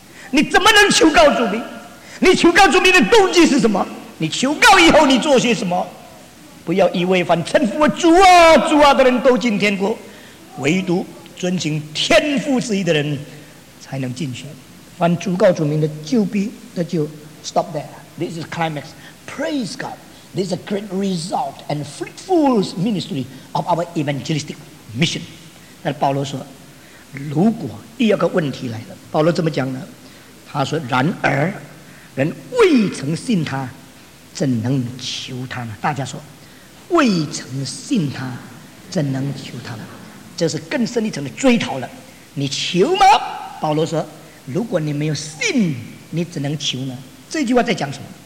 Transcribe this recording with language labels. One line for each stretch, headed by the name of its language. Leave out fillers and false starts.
Chinese: 你怎么能求告主名？你求告主名的动机是什么？你求告以后你做些什么？不要一味反称呼我主啊主啊的人都进天国，唯独遵行天父旨意的人才能进去。凡主告主名的就必得救。
English: Stop there. This is climax. Praise God. This is a great result and fruitful ministry of our evangelistic mission.
Chinese: 那保罗说，如果第二个问题来了，保罗怎么讲呢？他说然而人未曾信他怎能求他呢？大家说未曾信他怎能求他呢？这是更深一层的追讨了。你求吗？保罗说如果你没有信你怎能求呢？这句话在讲什么？